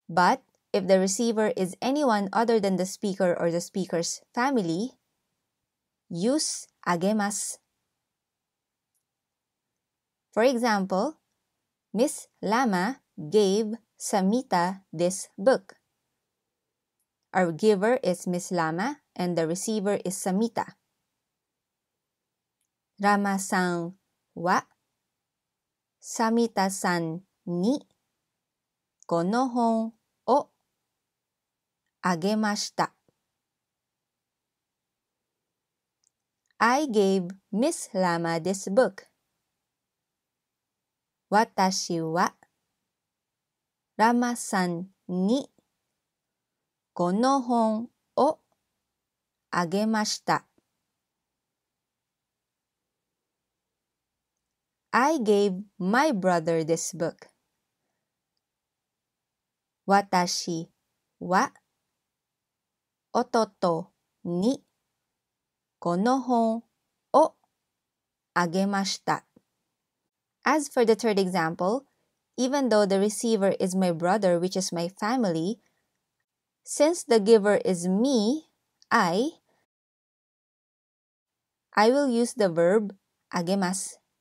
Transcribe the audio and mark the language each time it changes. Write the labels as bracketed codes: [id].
[en] But if the receiver is anyone other than the speaker or the speaker's family, use agemasu. For example, Miss Lama gave Samita this book. Our giver is Miss Lama and the receiver is Samita. [ja] ラマさんはサミタさんにこの本をあげました。 [en] I gave Miss Lama this book. [ja] 私はラマさんにこの本をあげました。 [en] I gave my brother this book. [ja] 私は弟にこの本をあげました。 [en] As for the third example, even though the receiver is my brother, which is my family, since the giver is me, I will use the verb あげます。